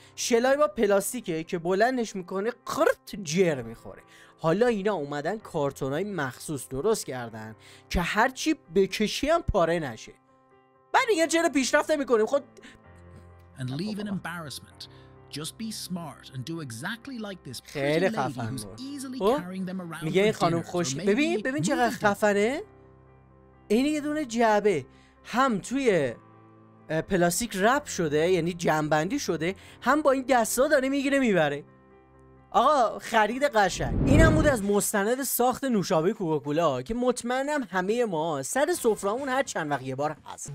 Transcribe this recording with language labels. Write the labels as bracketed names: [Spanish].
[Persian] شلای با پلاستیکه که بلندش می‌کنه قرط جر می‌خوره. حالا اینا اومدن کارتونای مخصوص درست کردن که هرچی بکشی هم پاره نشه. بعد میگن چرا پیشرفت نمی‌کنیم؟ خود [English] And leave an embarrassment. Just be smart and do exactly like this pretty lady who's easily carrying them around. [Persian] میگه این خانم خوش. ببین چقدر خفنه. این یه دونه جعبه هم توی پلاستیک رپ شده، یعنی جمع‌بندی شده، هم با این دستا داره میگیره میبره. آقا خرید قشنگ. اینم بود از مستند ساخت نوشابه کوکاکولا که مطمئنم همه ما سر سفرهمون هر چند وقت یه بار هست.